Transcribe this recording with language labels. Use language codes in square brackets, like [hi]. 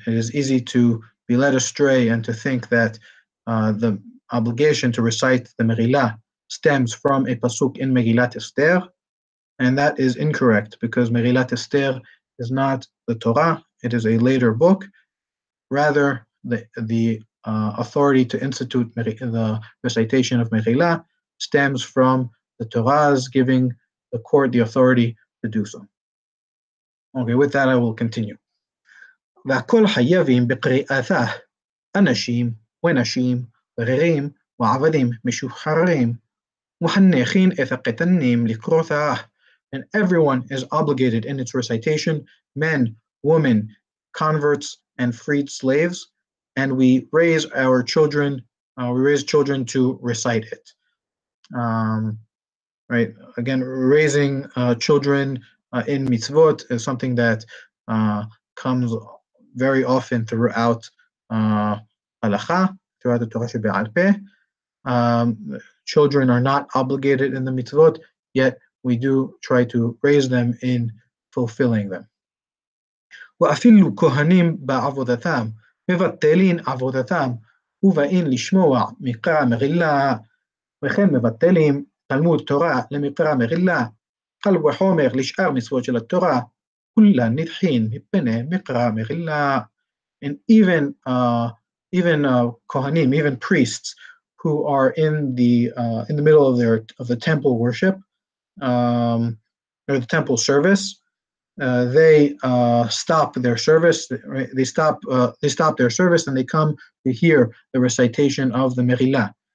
[en] It is easy to be led astray and to think that the obligation to recite the Megillah stems from a pasuk in Megillat Esther, and that is incorrect because Megillat Esther is not the Torah, it is a later book. Rather, the authority to institute the recitation of Megillah stems from the Torah's giving the court the authority to do so. Okay, with that I will continue. [he] והכל חייבים בקריאתה, אנשים ונשים, בררים ועבדים משוחררים, מחנכים את הקטנים לקרותה. [en] And everyone is obligated in its recitation, men, women, converts, and freed slaves, and we raise our children, to recite it. Right, again, raising children in mitzvot is something that comes very often throughout halacha, throughout the Torah Sheba'al Peh. Children are not obligated in the mitzvot, yet we do try to raise them in fulfilling them. [he] ואפילו כהנים בעבודתם, מבטלים עבודתם, ובאים לשמוע מקרא מגילה, וכן מבטלים תלמוד תורה למקרא מגילה, קל וחומר לשאר מצוות של התורה, כולה נדחין מפני מקרא מגילה. [en] And even Kohanim, even priests who are in the middle of the temple worship, or the temple service, they stop their service and they come to hear the recitation of the Megillah.